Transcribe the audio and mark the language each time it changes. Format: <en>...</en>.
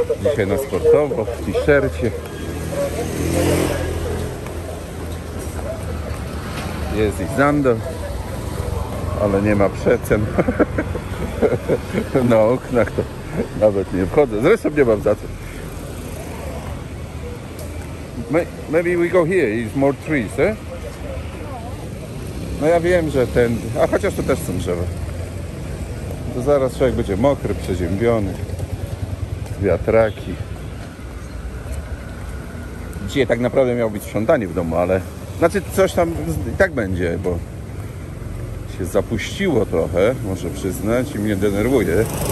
<pl>Dzisiaj na sportowo, w t-shircie. Jest i Zando, ale nie ma przecen. Na oknach to nawet nie wchodzę. Zresztą nie mam za co.</pl> <en>Maybe we go here, it's more trees, eh?</en> <pl>No ja wiem, że ten... A chociaż to też są drzewa. To zaraz człowiek będzie mokry, przeziębiony. Wiatraki. Dzisiaj tak naprawdę miało być sprzątanie w domu, ale... Znaczy coś tam i tak będzie, bo się zapuściło trochę, muszę przyznać, i mnie denerwuje.</pl>